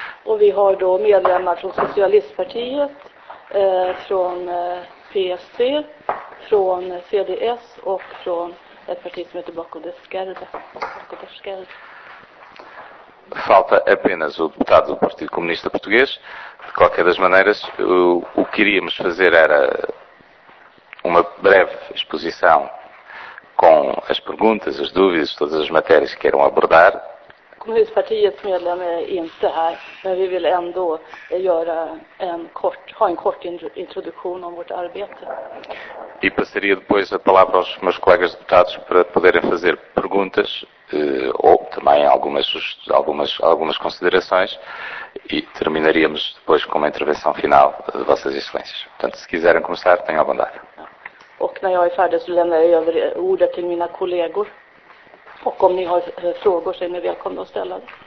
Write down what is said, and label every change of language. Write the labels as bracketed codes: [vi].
[sv] E vi har då medlemmar från Socialistpartiet, från PSC, från CDS och från ett parti som heter Bloco de Esquerda. [pt] Falta apenas o deputado do Partido Comunista Português. De qualquer das maneiras, o que queríamos fazer era uma breve exposição com as perguntas, as dúvidas, todas as matérias que queiram abordar. [sv] Comunistpartiets medlem är inte här, men vi vill ändå göra en kort introduktion om vårt arbete. [pt] E passaria depois a palavra aos meus colegas deputados para poderem fazer perguntas ou também algumas considerações e terminaríamos depois com uma intervenção final de vossas excelências. Portanto, se quiserem começar, tenham a bondade. [sv] Och när jag är färdig så lämnar jag över ordet till mina kollegor. Och om ni har frågor så är ni välkomna att ställa det.